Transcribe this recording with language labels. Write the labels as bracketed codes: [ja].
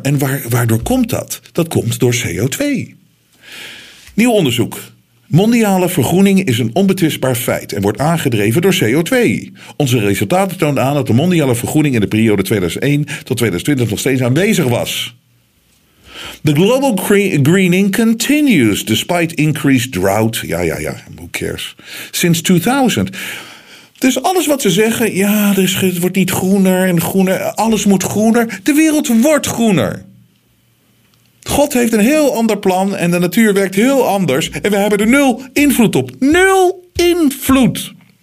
[nl] En waardoor komt dat? Dat komt door CO2. Nieuw onderzoek. Mondiale vergroening is een onbetwistbaar feit en wordt aangedreven door CO2. Onze resultaten toonden aan dat de mondiale vergroening in de periode 2001 tot 2020 nog steeds aanwezig was. [en] The global greening continues despite increased drought. Ja, who cares. Since 2000. [nl] Dus alles wat ze zeggen, ja, het wordt niet groener en groener, alles moet groener. De wereld wordt groener. God heeft een heel ander plan en de natuur werkt heel anders. En we hebben er nul invloed op. Nul invloed.